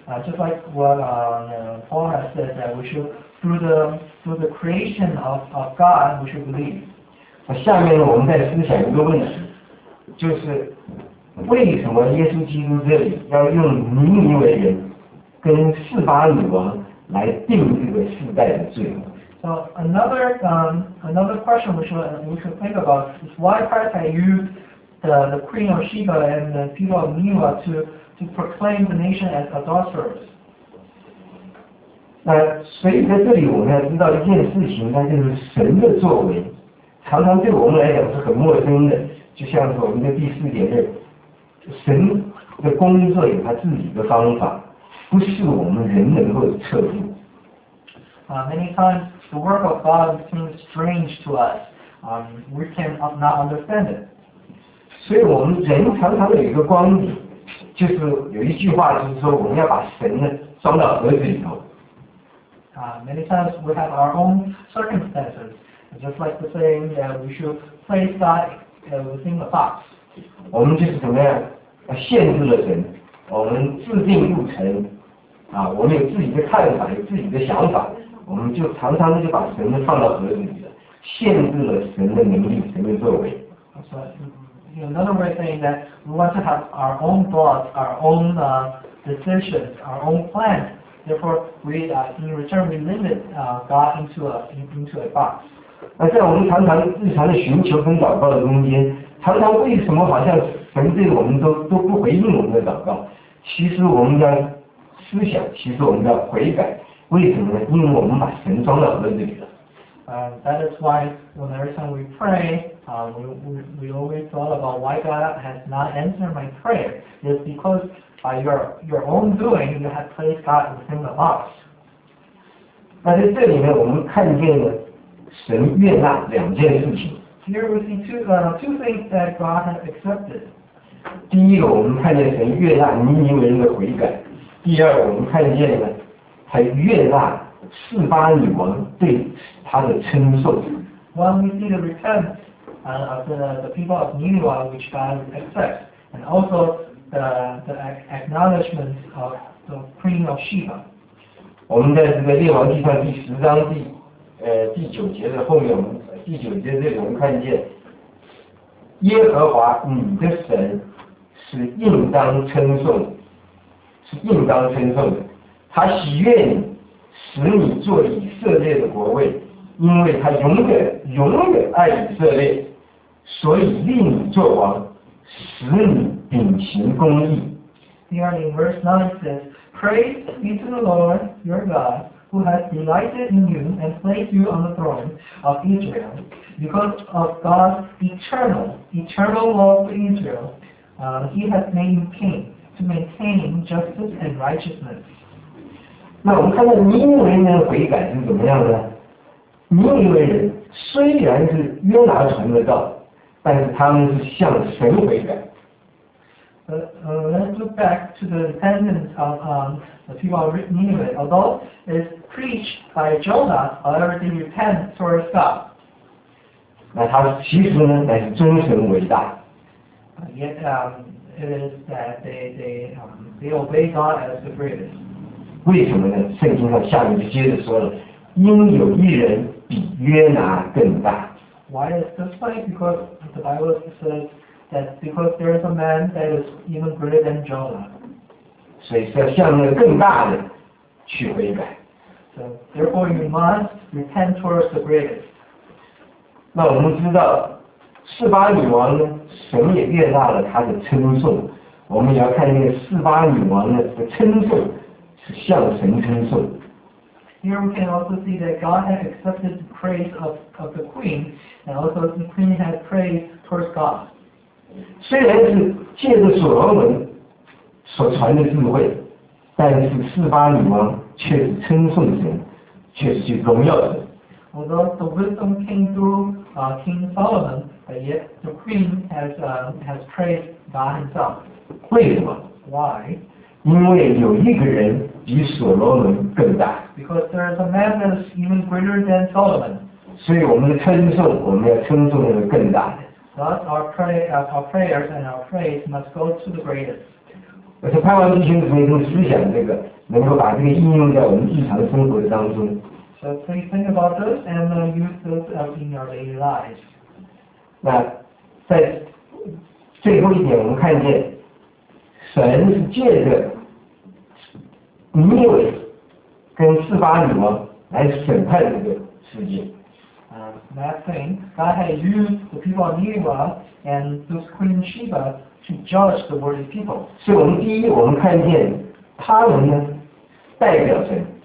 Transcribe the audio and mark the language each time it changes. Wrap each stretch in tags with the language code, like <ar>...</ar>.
<en>Just like what Paul has said, that we should through the creation of God, we should believe.</en> <zh>那下面呢，我们再思想一个问题。就是为什么耶稣基督这里要用尼尼微人跟示巴女王来定这个世代的罪呢？</zh> <en>So another question we should think about is why Christ had used the Queen of Sheba and the people of Nineveh to proclaim the nation as adulterers.</en> <zh>那所以在这里我们要知道一件事情，那就是神的作为常常对我们来讲是很陌生的。就像是我们的第四点是，神的工作有他自己的方法，不是我们人能够测度。</zh> <en>Many times the work of God seems strange to us. We can not understand it.</en> <zh>所以我们人常常有一个光景，就是有一句话，就是说我们要把神呢装到盒子里头。</zh> <en>Many times we have our own circumstances, just like the saying that we should place God. Within the box.</en> <zh>我们就是怎么样限制了神，我们自定不成啊，我们有自己的看法，有自己的想法，我们就常常就把神放到盒子里了，限制了神的能力，神的作为。</zh> <en>So, another way of saying that we want to have our own thoughts, our own decisions, our own plans. Therefore, we in return we limit God into a box.</en> <zh>那在我们常常日常的寻求跟祷告的中间，常常为什么好像神对我们都不回应我们的祷告？其实我们要思想，其实我们要悔改，为什么呢？因为我们把神装到盒子里了。</zh> <en>That is why whenever time we pray, we always thought about why God has not answered my prayer. It's because by your own doing, you have placed God within the box.</en> <zh>那在这里面，我们看见了。神悦纳两件事情。</zh> <en>Here we see two things that God has accepted.</en> <zh>第一个，我们看见神悦纳尼尼微人的悔改；第二，我们看见呢，他悦纳示巴女王对他的称颂。</zh> <en>When we see the repentance of the people of Nineveh, which God accepts, and also the acknowledgement of the Queen of Sheba.</en> <zh>我们在这个列王记上第十章第。第九节的后面，第九节这里我们看见，耶和华你的神是应当称颂，是应当称颂的。他喜悦你，使你做以色列的国位，因为他永远永远爱以色列，所以立你作王，使你秉行公义。第二节</zh> <en>verse 9 says, Praise be to the Lord your God. Who has delighted in you and placed you on the throne of Israel because of God's eternal law for Israel? He has made you king to maintain justice and righteousness.</en> <zh>那我们看到尼尼微人的悔改是怎么样的？尼尼微人虽然是约拿传的道，但是他们是向神悔改。</zh> <en>Let's look back to the repentance of the people of Nineveh. Although it's preached by Jonah, however, they repent towards God.</en> <zh>那他其实呢，乃是尊神为大。</zh> <en>Yet it is that they obey God as the greatest.</en> <zh>为什么呢？圣经上下面就接着说了，因有一人比约拿更大。</zh> <en>Why is this funny? Because the Bible says. That because there is a man that is even greater than Jonah.</en> <zh>所以是要向那更大的去悔改。</zh> <en>So therefore you must repent towards the greatest.</en> <zh>那我们知道示巴女王呢，神也悦纳了她的称颂。我们也要看那个示巴女王呢的称颂是向神称颂。</zh> <en>Here we can also see that God has accepted the praise of the queen, and also the queen has praised towards God.</en> <zh>虽然是借着所罗门所传的智慧，但是四八女王却是称颂神，却是去荣耀神。</zh> <en>Although the wisdom came through King Solomon, but yet the queen has praised God himself.</en> <zh>为什么？</zh> <en>Why?</en> <zh>因为有一个人比所罗门更大。</zh> <en>Because there is a man that is even greater than Solomon.</en> <zh>所以我们的称颂，我们要称颂那个更大的。</zh> <en>Thus, our prayers and our praise must go to the greatest.</en> <zh>我是盼望弟兄姊妹能思想这个，能够把这个应用在我们日常生活当中。</zh> <en>So please think about this and use this in your daily lives.</en> <zh>那在最后一点，我们看见神是借着尼尔跟四八女王来审判这个世界。</zh> <en>Last thing, God had used the people of Nineveh and this Queen Sheba to judge the worthy people.</en> <zh>所以我们第一，我们看见他们呢代表谁？</zh>